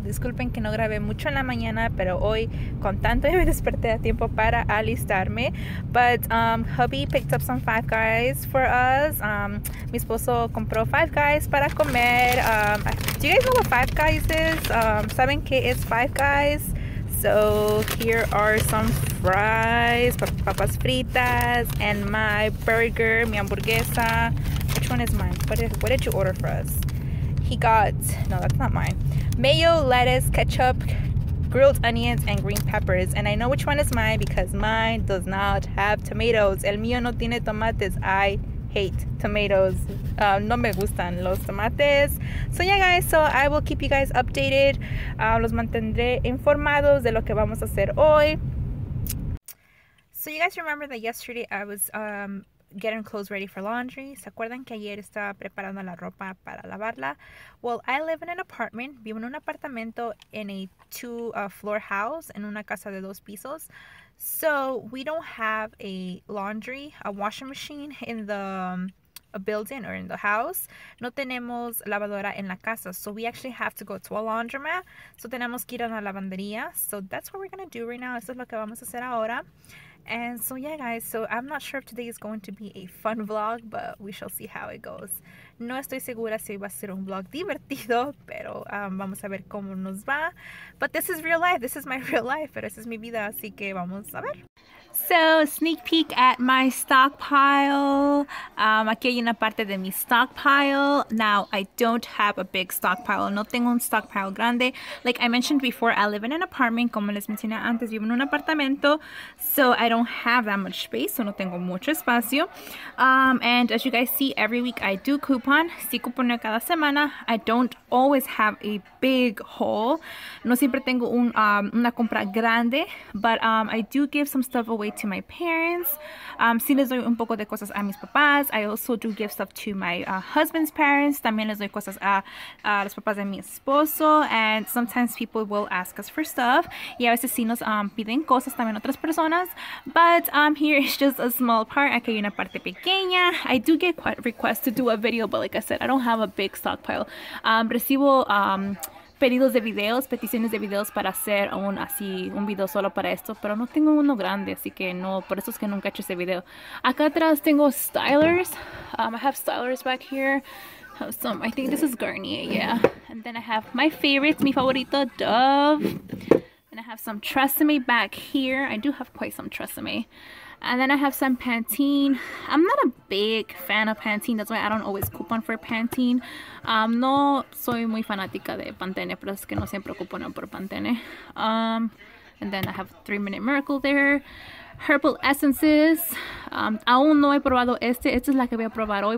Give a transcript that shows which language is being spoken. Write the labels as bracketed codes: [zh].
[es] Disculpen que no grabé mucho en la mañana, pero hoy con tanto ya me desperté a tiempo para alistarme. [en] But hubby picked up some Five Guys for us. [es] Mi esposo compró Five Guys para comer. [en] Do you guys know what Five Guys is? [es] ¿Saben qué es Five Guys? [en] So here are some fries, [es] papas fritas, [en] and my burger, [es] mi hamburguesa. [en] Which one is mine? What did you order for us? He got, no, that's not mine. Mayo, lettuce, ketchup, grilled onions, and green peppers. And I know which one is mine because mine does not have tomatoes. [es] El mío no tiene tomates. [en] I hate tomatoes. [es] No me gustan los tomates. [en] So yeah, guys, so I will keep you guys updated. [es] Los mantendré informados de lo que vamos a hacer hoy. [en] So you guys remember that yesterday I was getting clothes ready for laundry. [es] ¿Se acuerdan que ayer estaba preparando la ropa para lavarla? [en] Well, I live in an apartment. [es] Vivo en un apartamento [en] in a two-floor house, [es] en una casa de dos pisos. [en] So we don't have a washing machine in the building or in the house. [es] No tenemos lavadora en la casa, [en] so we actually have to go to a laundromat. So [es] tenemos que ir a la lavandería. [en] So that's what we're gonna do right now. [es] Eso es lo que vamos a hacer ahora. [en] And so yeah, guys, so I'm not sure if today is going to be a fun vlog, but we shall see how it goes. [es] No estoy segura si va a ser un vlog divertido, pero vamos a ver cómo nos va. [en] But this is real life. This is my real life, [es] pero esa es mi vida, así que vamos a ver. [en] So, sneak peek at my stockpile. [es] Aquí hay una parte de mi stockpile. [en] Now, I don't have a big stockpile. [es] No tengo un stockpile grande. [en] Like I mentioned before, I live in an apartment. [es] Como les mencioné antes, vivo en un apartamento. [en] So, I don't have that much space. So, [es] no tengo mucho espacio. [en] And as you guys see, every week I do coupon. [es] Sí cuponeo cada semana. [en] I don't always have a big haul. [es] No siempre tengo una compra grande. [en] But I do give some stuff away to my parents. [es] Sí les doy un poco de cosas a mis papás. [en] I also do give stuff to my husband's parents. [es] También les doy cosas a los papás de mi esposo. [en] And sometimes people will ask us for stuff. [es] Y a veces sí nos piden cosas también otras personas. [en] But here is just a small part. [es] Aquí hay una parte pequeña. [en] I do get quite requests to do a video, but like I said, I don't have a big stockpile. [es] Recibo pedidos de videos, peticiones de videos para hacer un video solo para esto, pero no tengo uno grande, así que no, por eso es que nunca he hecho ese video. Acá atrás tengo stylers. [en] I have stylers back here. Awesome. I think this is Garnier, yeah. And then I have my favorite, [es] mi favorito, [en] Dove. And I have some Tresemme back here. I do have quite some Tresemme. And then I have some Pantene. I'm not a big fan of Pantene. That's why I don't always coupon for Pantene. [es] No soy muy fanática de Pantene, pero es que no siempre coupono por Pantene. [en] And then I have 3-Minute Miracle there. Herbal essences. [es] Aún no he probado este. Esta es la que voy a probar hoy.